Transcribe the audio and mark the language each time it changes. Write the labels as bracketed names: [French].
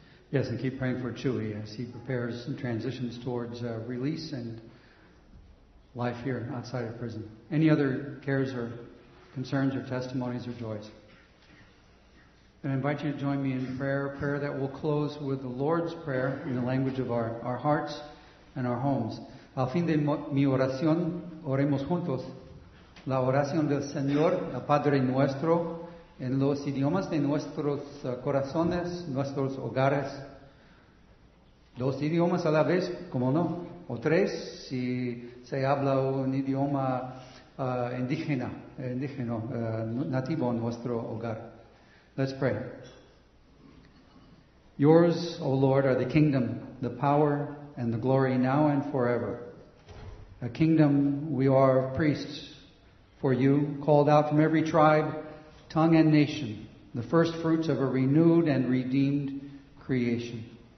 [English] Yes, and keep praying for Chewy as he prepares and transitions towards release and life here outside of prison. Any other cares or concerns or testimonies or joys? And I invite you to join me in prayer, a prayer that will close with the Lord's Prayer in the language of our hearts and our homes. [Spanish] Al fin de mi oración, oremos juntos. La oración del Señor, el Padre nuestro, en los idiomas de nuestros corazones, nuestros hogares. Dos idiomas a la vez, como no. O tres, si se habla un idioma indígena, nativo en nuestro hogar. [English] Let's pray. Yours, O Lord, are the kingdom, the power, and the glory now and forever. A kingdom we are of priests for you, called out from every tribe, tongue, and nation, the first fruits of a renewed and redeemed creation.